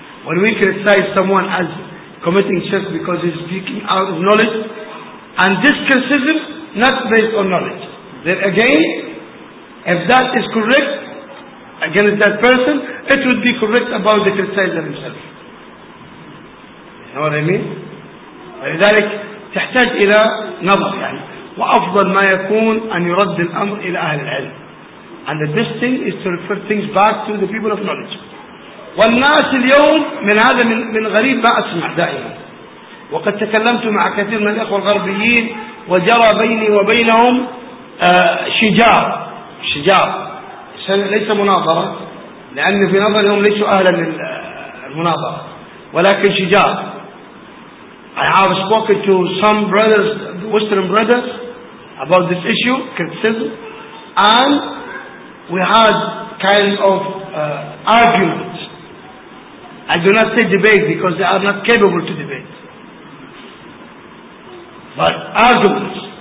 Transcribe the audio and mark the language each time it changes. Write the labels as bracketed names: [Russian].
[English] When we criticize someone as committing shirk because he's speaking out of knowledge, and this criticism not based on knowledge, then again, if that is correct against that person, it would be correct about the criticizer himself. You know what I mean? [Arabic] ولذلك تحتاج إلى نظر يعني. وأفضل ما يكون أن يرد الأمر إلى أهل العلم. [English] And the best thing is to refer things back to the people of knowledge. [Arabic] والناس اليوم من هذا من غريب ما أسمع دائما. وقد تكلمت مع كثير من الأخوة الغربيين وجرى بيني وبينهم شجار ليس مناظرة, لأن في نظرهم ليسوا أهلا للمناظرة, ولكن شجار. [English] I have spoken to some brothers, Western brothers, about this issue, criticism, and we had kind of argument. I do not say debate because they are not capable to debate, but arguments.